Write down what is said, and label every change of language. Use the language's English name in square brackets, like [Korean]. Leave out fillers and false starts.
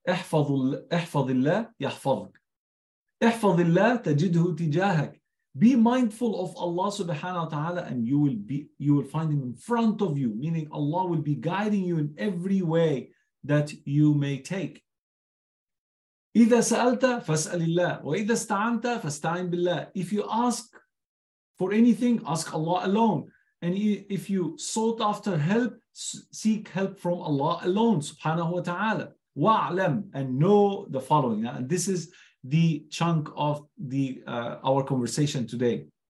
[Arabic] احفظ الله يحفظك. احفظ الله تجده تجاهك. [English] Be mindful of Allah subhanahu wa ta'ala and you will find Him in front of you, meaning Allah will be guiding you in every way that you may take. [Arabic] إذا سألت فاسأل الله وإذا استعنت فاستعن بالله. [English] If you ask for anything, ask Allah alone. And if you sought after help, seek help from Allah alone, subhanahu wa ta'ala. وَاعْلَمْ, and know the following. And this is the chunk of the our conversation today.